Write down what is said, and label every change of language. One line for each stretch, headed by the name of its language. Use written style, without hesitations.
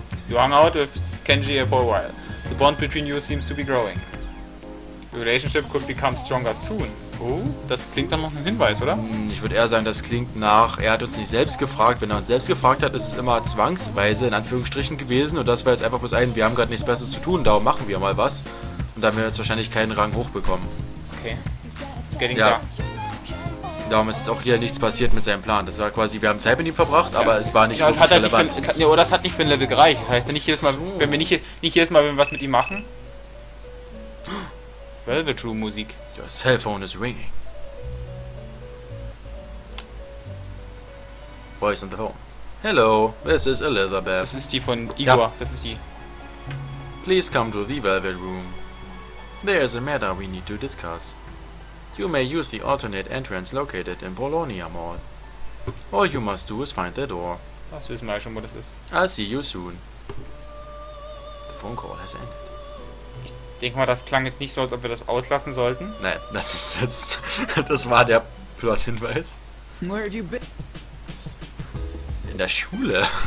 English: You hung out with Kenji for a while. The bond between you seems to be growing. The relationship could become stronger soon.
German: Oh, das klingt dann noch ein Hinweis, oder? Ich würde eher sagen, das klingt nach, er hat uns nicht selbst gefragt. Wenn er uns selbst gefragt hat, ist es immer zwangsweise in Anführungsstrichen gewesen. Und das war jetzt einfach bloß ein, wir haben gerade nichts Besseres zu tun, darum machen wir mal was. Und dann werden wir jetzt wahrscheinlich keinen Rang hochbekommen. Okay. Getting klar. Darum ist auch hier nichts passiert mit seinem Plan. Das war quasi, wir haben Zeit mit ihm verbracht, aber es war nicht wirklich relevant. Oder es hat nicht für ein Level gereicht. Das heißt ja nicht jedes Mal, wenn wir nicht jedes Mal, wenn wir was mit ihm machen. Velvet Room Musik.
English: Your cell phone is ringing. Voice on the phone. Hello, this is Elizabeth.
German: Das ist die von Igor. Ja. Das ist die.
English: Please come to the Velvet Room. There is a matter we need to discuss. You may use the alternate entrance located in Bologna Mall. All you must do is find the door.
German: Das wissen wir ja schon, wo das ist.
English: I'll see you soon. The phone call has ended.
German: Ich denke mal, das klang jetzt nicht so, als ob wir das auslassen sollten. Nein, das ist jetzt. Das war der Plot-Hinweis.
English: Where have you been?
German: In der Schule.